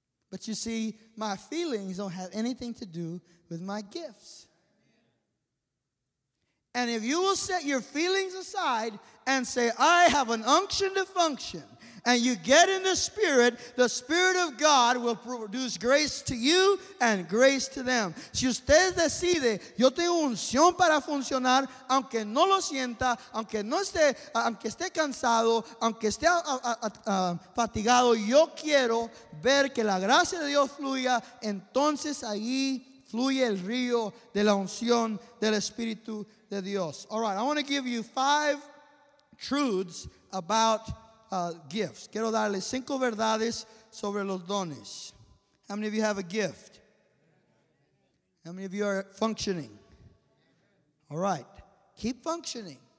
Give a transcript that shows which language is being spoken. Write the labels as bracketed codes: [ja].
[en] But you see, my feelings don't have anything to do with my gifts. And if you will set your feelings aside and say, I have an unction to function, and you get in the Spirit of God will produce grace to you and grace to them. [es] Si usted decide, yo tengo unción para funcionar, aunque no lo sienta, aunque no esté, aunque esté cansado, aunque esté fatigado, yo quiero ver que la gracia de Dios fluya, entonces ahí fluye el río de la unción del Espíritu de Dios. [en] All right, I want to give you 5 truths about gifts. [es] Quiero darle 5 verdades sobre los dones. [en] How many of you have a gift? How many of you are functioning? All right, keep functioning.